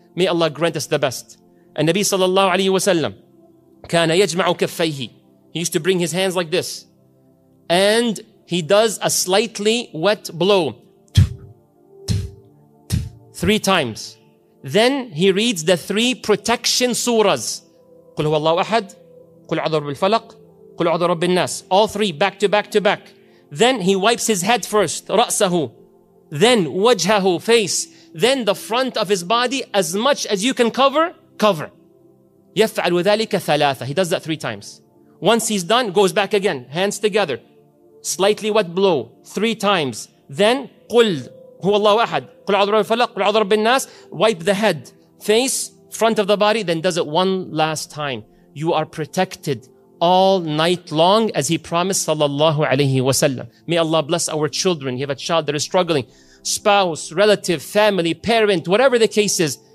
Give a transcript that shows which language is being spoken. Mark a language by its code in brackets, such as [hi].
[en] May Allah grant us the best. And Nabi sallallahu alayhi wa sallam, [ar] كان يجمع كفيه. [en] He used to bring his hands like this. And he does a slightly wet blow. Three times. Then he reads the three protection surahs. [ar] قل هو الله أحد قل أعوذ برب الفلق قل أعوذ برب الناس. [en] All three back to back to back. Then he wipes his head first. [ar] رأسه. [en] Then وجهه, face. Then the front of his body. As much as you can cover, cover. [ar] يفعل ذلك ثلاثة. [en] He does that three times. Once he's done, goes back again. Hands together. Slightly wet blow. Three times. Then [ar] قل هو الله أحد قل أعوذ برب الفلق قل أعوذ برب الناس. [en] Wipe the head, face, front of the body, then does it one last time. You are protected all night long as he promised sallallahu alayhi wa sallam. May Allah bless our children. You have a child that is struggling. Spouse, relative, family, parent, whatever the case is.